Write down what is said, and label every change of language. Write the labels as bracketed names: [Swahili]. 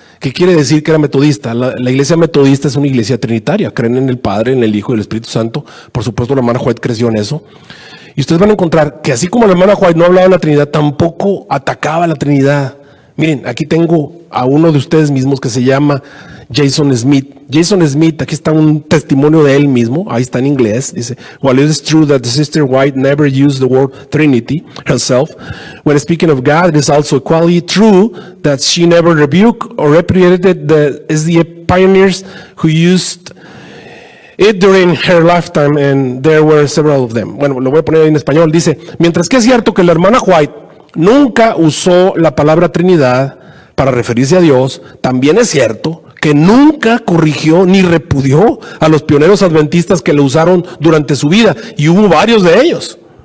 [Spanish] ¿Qué quiere decir que era metodista? La iglesia metodista es una iglesia trinitaria. Creen en el Padre, en el Hijo y el Espíritu Santo. Por supuesto, la hermana White creció en eso. Y ustedes van a encontrar que así como la hermana White no hablaba de la Trinidad, tampoco atacaba a la Trinidad. Miren, aquí tengo a uno de ustedes mismos que se llama Jason Smith. Jason Smith, aquí está un testimonio de él mismo, ahí está en inglés, dice, [English] while it is true that the Sister White never used the word Trinity herself, when speaking of God, it is also equally true that she never rebuked or reprimanded the SDA pioneers who used it during her lifetime, and there were several of them. [Spanish] Bueno, lo voy a poner en español, dice, mientras que es cierto que la hermana White nunca usó la palabra Trinidad para referirse a Dios, también es cierto que nunca corrigió ni repudió a los pioneros adventistas que lo usaron durante su vida. Y hubo varios de ellos.